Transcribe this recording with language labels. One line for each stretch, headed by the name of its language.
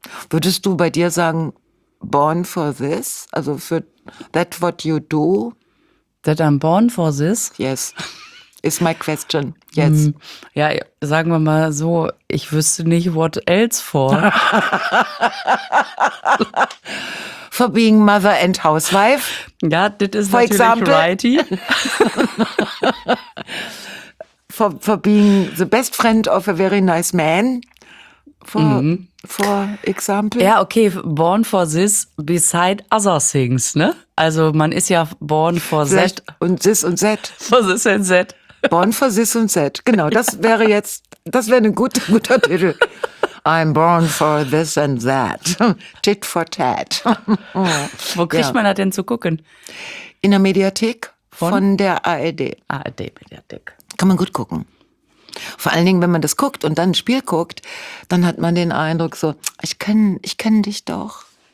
German: Würdest du bei dir sagen,
English: born for this,
German: also für
English: that what you do. That I'm born for this? Yes, is my question, yes. Mm,
German: ja, sagen wir mal so, ich wüsste nicht
English: what else for. For being mother and housewife.
German: Ja, das ist natürlich example.
English: Righty. For being the best friend of a very nice man. For example?
German: Ja, okay,
English: born for this beside other things, ne?
German: Also man ist ja
English: born for that. Und this und that. For this and that. Born for this und that.
German: Genau, das wäre jetzt, das wäre ein guter Titel.
English: I'm born for this and that. Tit for tat.
German: Wo kriegt man das denn zu gucken? In der Mediathek von der ARD. ARD-Mediathek. Kann man gut gucken. Vor allen Dingen, wenn man das guckt und dann ein Spiel guckt, dann hat man den Eindruck so, ich kenn dich doch.